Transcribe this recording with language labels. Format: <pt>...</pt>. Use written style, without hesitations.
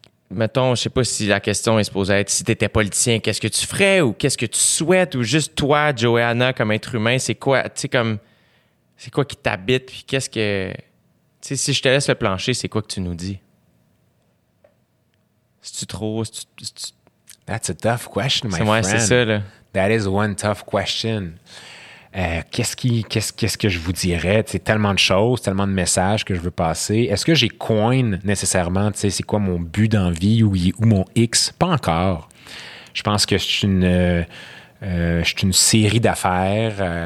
<fr>mettons, je sais pas si la question est supposée être si t'étais politicien, qu'est-ce que tu ferais ou qu'est-ce que tu souhaites ou juste toi, Joanna, comme être humain, c'est quoi, tu sais, comme, c'est quoi qui t'habite puis qu'est-ce que, tu sais, si je te laisse le plancher, c'est quoi que tu nous dis? C'est-tu trop, c'est-tu...</fr> <en>That's a tough question, my friend.</en> <fr>C'est ça, là.</fr> <en>That is one tough question.</en> <fr>Qu'est-ce que je vous dirais? T'sais, tellement de choses, tellement de messages que je veux passer. Est-ce que j'ai coin nécessairement? T'sais, c'est quoi mon but dans vie ou mon X? Pas encore. Je pense que je suis une série d'affaires.</fr>